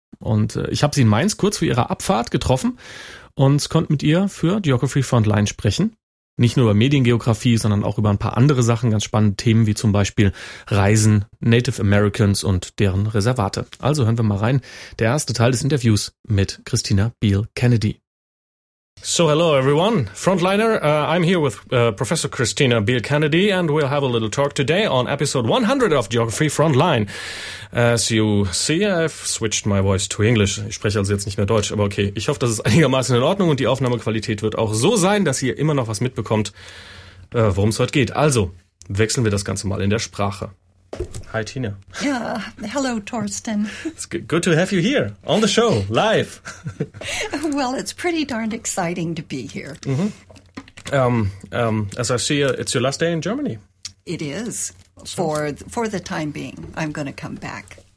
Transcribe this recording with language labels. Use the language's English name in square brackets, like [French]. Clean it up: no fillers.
[German] Und ich habe sie in Mainz kurz vor ihrer Abfahrt getroffen und konnte mit ihr für Geography Frontline sprechen. Nicht nur über Mediengeografie, sondern auch über ein paar andere Sachen, ganz spannende Themen wie zum Beispiel Reisen, Native Americans und deren Reservate. Also hören wir mal rein. Der erste Teil des Interviews mit Christina Beale Kennedy. [English] So hello everyone, Frontliner. I'm here with Professor Christina Beale Kennedy, and we'll have a little talk today on episode 100 of Geography Frontline. As you see, I've switched my voice to English. [German] Ich spreche also jetzt nicht mehr Deutsch, aber okay. Ich hoffe, das ist einigermaßen in Ordnung und die Aufnahmequalität wird auch so sein, dass ihr immer noch was mitbekommt, worum es heute geht. Also wechseln wir das Ganze mal in der Sprache. [English] Hi, Tina. Yeah, hello, Torsten. It's good to have you here on the show, live. Well, it's pretty darned exciting to be here. Mm-hmm. As I see, it's your last day in Germany. It is, for the time being. I'm going to come back.